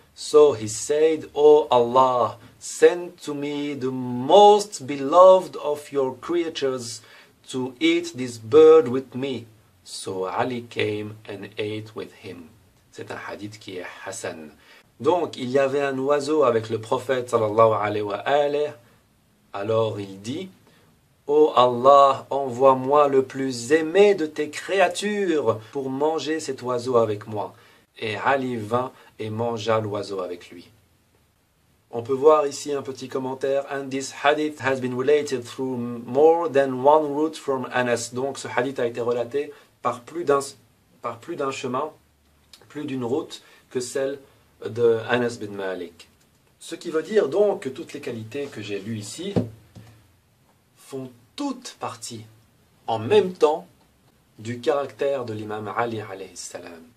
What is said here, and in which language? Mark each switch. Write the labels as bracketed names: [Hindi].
[English] So he said, O Allah, send to me the most beloved of your creatures to eat this bird with me. So Ali came and ate with him. » [French] C'est un hadith qui est Hassan. Donc, il y avait un oiseau avec le prophète, sallallahu alayhi wa alayhi. Alors il dit, O Allah, envoie-moi le plus aimé de tes créatures pour manger cet oiseau avec moi. Et Ali vint et mangea l'oiseau avec lui. On peut voir ici un petit commentaire. [English] And this hadith has been related through more than one route from Anas. [French] Donc ce hadith a été relaté par plus d'un chemin, plus d'une route que celle de Anas bin Malik. Ce qui veut dire donc que toutes les qualités que j'ai lues ici font toutes partie en même temps du caractère de l'imam Ali alayhi salam.